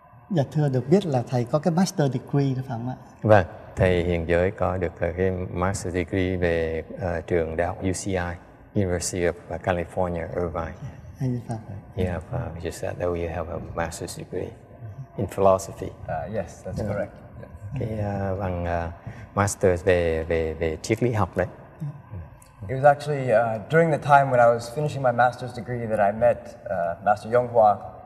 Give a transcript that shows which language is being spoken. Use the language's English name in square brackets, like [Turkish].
[Vietnamese] Dạ thưa, được biết là thầy có cái master degree đó phải không ạ? Vâng, thầy Hiền Giới có được cái master degree về trường đại học UCI, University of California, Irvine. [English] Yeah. Yeah, just that though you have a master's degree in philosophy. Yes, that's correct. [Vietnamese] Cái bằng master's về triết lý học đấy. [English] It was actually during the time when I was finishing my master's degree that I met Master Yonghua.